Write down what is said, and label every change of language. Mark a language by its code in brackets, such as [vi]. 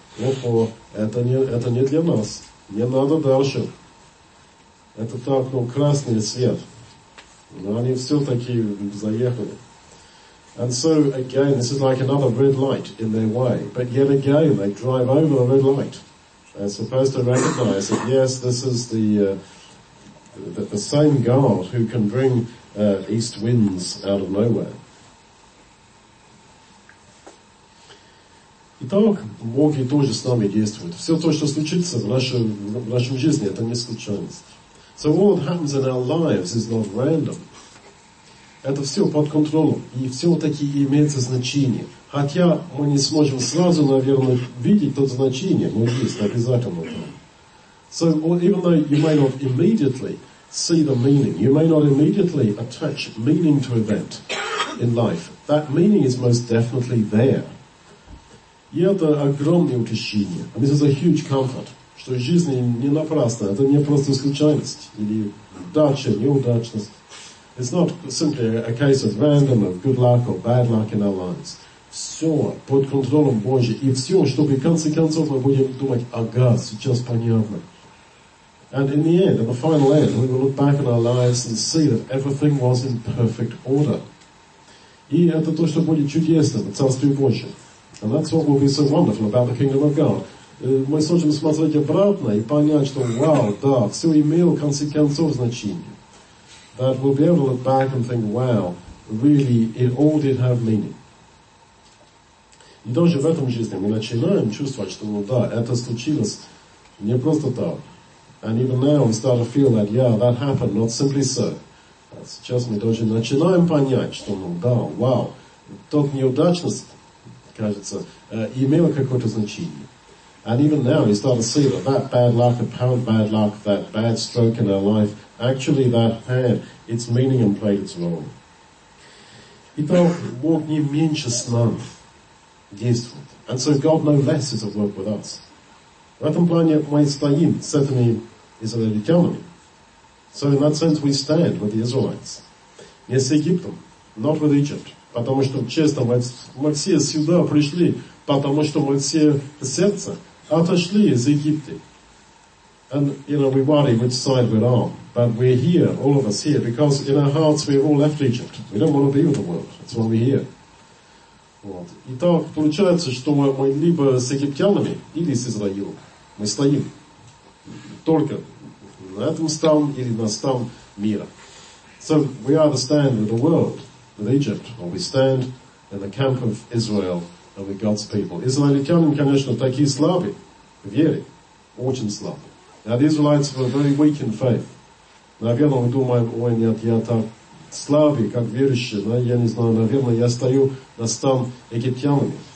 [ru] Ухо, это не для нас. Не надо дальше. Это так, ну, красный свет. Но они все-таки заехали. [en] And so again, this is like another red light in their way. But yet again, they drive over the red light. They're supposed to recognize that, yes, this is the same God who can bring east winds out of nowhere. [ru] Итак, Бог и тоже с нами действует. Все то, что случится в нашей жизни, это не случайность. [en] So all that happens in our lives is not random. [ru] Это все под контролем. И все-таки имеется значение. Хотя мы не сможем сразу, наверное, видеть то значение, но есть обязательно там. [en] So even though you may not immediately see the meaning, you may not immediately attach meaning to event in life, that meaning is most definitely there. [ru] И это огромное утешение. [en] And this is a huge comfort, [ru] что жизнь не напрасна, это не просто случайность или удача, неудачность. [en] It's not simply a case of random, of good luck or bad luck in our lives. [ru] Все под контролем Божьим. И все, чтобы в конце концов мы будем думать, ага, сейчас понятно. [en] And in the end, at the final end, we will look back on our lives and see that everything was in perfect order. [ru] И это то, что будет чудесно в Царстве Божьем. [en] And that's what will be so wonderful about the kingdom of God. [ru] Мы сможем смотреть обратно и понять, что, вау, да, все имело в конце концов значение. [en] That we'll be able to look back and think, wow, really, it all did have meaning. [ru] И даже в этом жизни мы начинаем чувствовать, что, ну да, это случилось не просто так. [en] And even now we start to feel that, yeah, that happened, not simply so. [ru] Сейчас мы даже начинаем понять, что, ну да, вау, тот неудачность, кажется, имела какое-то значение. [en] And even now we start to see that that bad luck, apparent bad luck, that bad stroke in our life, actually that had its meaning and played its role. [ru] Итак, Бог не меньше с нами действует. [en] And so God no less is at work with us. [ru] В этом плане мы стоим с этими израильтянами. [en] So in that sense we stand with the Israelites. [ru] Не с Египтом, [en] not with Egypt. [ru] Потому что честно, мы все сюда пришли, потому что мы все в сердце отошли из Египта. [en] And, you know, we worry which side we're on. But we're here, all of us here, because in our hearts we've all left Egypt. We don't want to be with the world. That's why we're here. Вот. [ru] Итак, получается, что мы либо с египтянами, или с Израилем. Мы стоим только на этом стан или на стан мира. [en] So we either stand with the world, with Egypt, or we stand in the camp of Israel and with God's people. [ru] Израильтяне, конечно, такие слабые в вере. Очень слабые. [en] Now the Israelites were very weak in faith. [ru] Наверное, мы думаем, ой, нет, я так слабый, как верующий, да, я не знаю, наверное, я стою на стан египтянами.